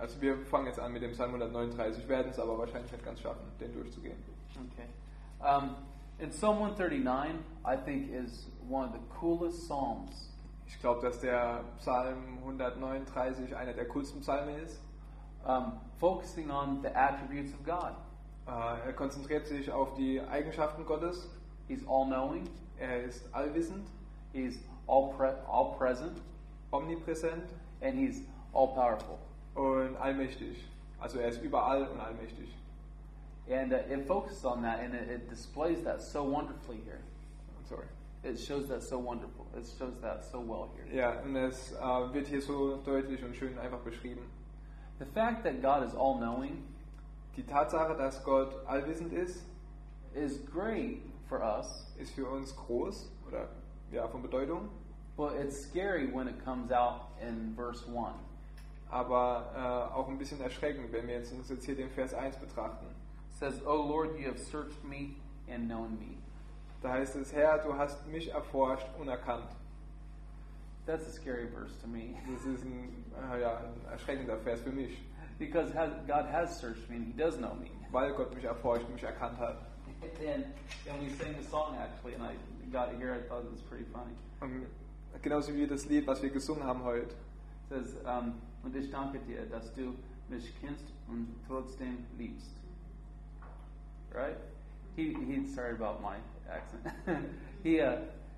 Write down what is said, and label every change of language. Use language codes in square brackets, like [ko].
[de] Also wir fangen jetzt an mit dem Psalm 139, werden es aber wahrscheinlich nicht ganz schaffen, den durchzugehen. Okay. [en] And Psalm 139, I think, is one of the coolest psalms. [de] Ich glaube, dass der Psalm 139 einer der coolsten Psalme ist. [en] Focusing on the attributes of God. [de] Er konzentriert sich auf die Eigenschaften Gottes. [en] He's all-knowing. [de] Er ist allwissend. [en] He's all-present. [de] Omnipräsent. [en] And he's all powerful. [de] Und allmächtig. Also er ist überall und allmächtig. [en] And it focuses on that and it displays that so wonderfully here. I'm sorry. It shows that so wonderful. It shows that so well here. [de] Ja, und es wird hier so deutlich und schön einfach beschrieben. [en] The fact that God is all-knowing, [de] die Tatsache, dass Gott allwissend ist, [en] is great for us, [de] ist für uns groß oder ja, von Bedeutung. [en] But it's scary when it comes out in verse 1. [de] Aber auch ein bisschen erschreckend, wenn wir jetzt hier den Vers 1 betrachten. [en] It says, O Lord, you have searched me and known me. [de] Da heißt es, Herr, du hast mich erforscht und erkannt. [en] That's a scary verse to me. [de] Das ist ein, ja, ein erschreckender Vers für mich. [en] Because God has searched me and he does know me. [de] Weil Gott mich erforscht und mich erkannt hat. [en] And we sang the song actually, and I got it here, I thought it was pretty funny. [de] Genauso wie das Lied, was wir gesungen haben heute. [en] It says, [de] und ich danke dir, dass du mich kennst und trotzdem liebst. [en] Right? He sorry about my accent.